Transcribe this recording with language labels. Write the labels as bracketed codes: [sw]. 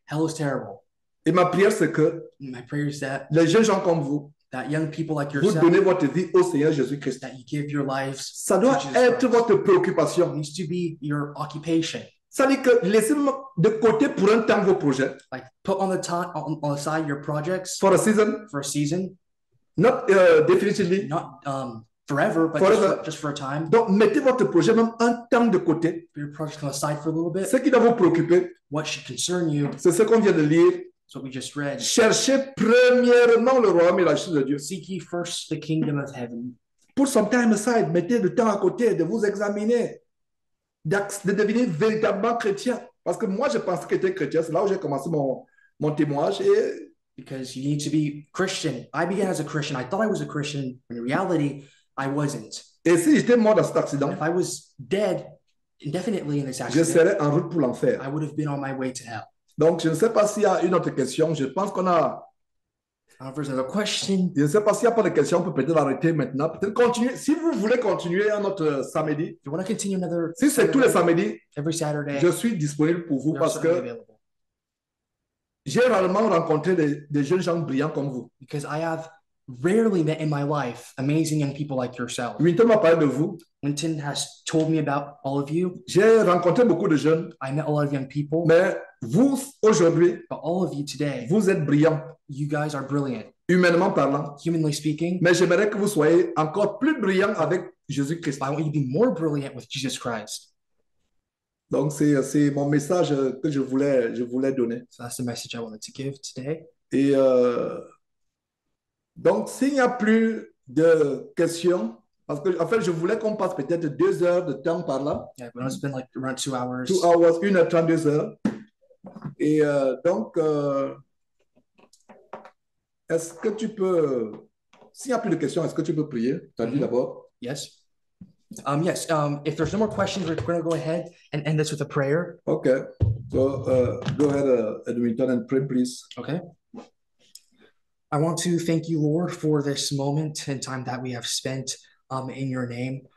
[en] Hell is terrible. [fr] Et ma prière, c'est que [en] my prayer is that [fr] les jeunes gens comme vous, [en] that young people like yourself, [fr] vous donnez votre vie au Seigneur Jésus-Christ. [en] That you give your lives, [fr] ça doit [en] to [fr] être [en] Christ. [fr] Votre préoccupation. [en] It needs to be your occupation. [fr] Ça dit que laissez-moi de côté pour un temps vos projets. [en] Like put on the time on aside your projects for a season. For a season, not definitely. Not forever, but forever. Just for a time. [fr] Donc mettez votre projet même un temps de côté. [en] Put your project aside for a little bit. [fr] Ce qui doit vous préoccuper, [en] what should concern you, [fr] c'est ce qu'on vient de lire. [en] So we just read. [fr] Cherchez premièrement le royaume et la justice de Dieu. [en] Seek ye first the kingdom of heaven. Put some time aside. [fr] Mettez le temps à côté de vous examiner. De devenir véritablement chrétien. Parce que moi, je pensais que j'étais chrétien. C'est là où j'ai commencé mon témoignage. Et... [en] Because you need to be Christian. I began as a Christian. I thought I was a Christian. In reality, I wasn't. [fr] Et si j'étais mort dans cet accident, [en] and if I was dead indefinitely in this accident, [fr] je serais en route pour l'enfer. [en] I would have been on my way to hell. [fr] Donc, je ne sais pas s'il y a une autre question. Je pense qu'on a Alors, j'ai une question. Je ne sais pas s'il n'y a pas de questions, on peut peut-être l'arrêter maintenant. Peut-être continuer. Si vous voulez continuer un autre samedi, [en] if you want to continue another [fr] si c'est tous les samedis, [en] every Saturday, [fr] je suis disponible pour vous parce que j'ai rarement rencontré des jeunes gens brillants comme vous. [en] Because I have rarely met in my life amazing young people like yourself. [fr] Winton m'a parlé de vous. [en] Winton has told me about all of you. [fr] J'ai rencontré beaucoup de jeunes. [en] I met a lot of young people. [fr] Mais vous, aujourd'hui, [en] but all of you today, [fr] vous êtes brillants. [en] You guys are brilliant. [fr] Humainement parlant. [en] Humanly speaking. [fr] Mais j'aimerais que vous soyez encore plus brillants avec Jésus-Christ. [en] I want you to be more brilliant with Jesus Christ. [fr] Donc, c'est mon message que je voulais donner. [en] So that's the message I wanted to give today. [fr] Et donc, s'il n'y a plus de questions, parce que, en fait, je voulais qu'on passe peut-être 2 heures de temps par là. [en] Yeah, but it's been like around 2 hours. 2 hours, 1h32. [fr] Et donc, est-ce que tu peux, s'il n'y a plus de questions, est-ce que tu peux prier? Tu as dit d'abord? [en] Yes. Yes, if there's no more questions, we're going to go ahead and end this with a prayer. Okay, so go ahead, Edmonton, and pray, please. Okay. I want to thank you, Lord, for this moment and time that we have spent in your name.